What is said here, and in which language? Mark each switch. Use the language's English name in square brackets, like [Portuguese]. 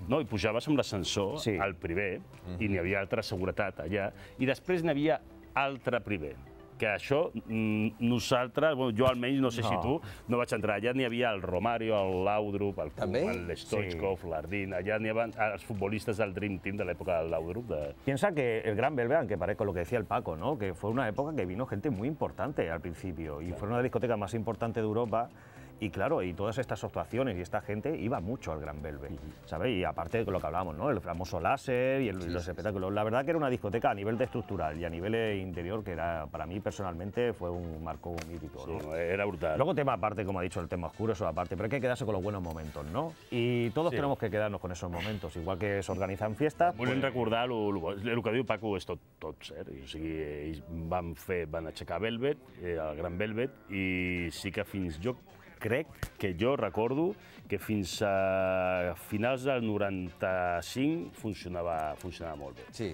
[Catalan] No, i pujaves amb l'ascensor, el primer, i n'hi havia altra seguretat allà, i després n'hi havia... altre primer, que això nosaltres, jo almenys, no sé si tu, no vaig entrar. Allà n'hi havia el Romario, el Laudrup, el Kuhn, el Stoichkov, l'Ardín, allà n'hi havia els futbolistes del Dream Team de l'època del Laudrup. [Spanish] Piensa que el Gran Velvet, aunque parezco lo que decía el Paco, que fue una época que vino gente muy importante al principio, y fue una discoteca más importante de Europa, Y claro, y todas estas actuaciones y esta gente iba mucho al Gran Velvet, ¿sabes? Y aparte de lo que hablábamos, ¿no? El famoso láser y los espectáculos. La verdad que era una discoteca a nivel de estructural y a nivel interior que era, para mí personalmente, fue un marco mítico, ¿no? Sí, era brutal. Luego tema aparte, como ha dicho, el tema oscuro, eso aparte, pero hay que quedarse con los buenos momentos, ¿no? Y todos tenemos que quedarnos con esos momentos, igual que se organizan fiestas. [Catalan] Volem recordar el que diu Paco, és tot cert. O sigui, ells van fer, van aixecar Velvet, el Gran Velvet, i sí que fins jo crec que jo recordo que fins a finals del 95 funcionava molt bé.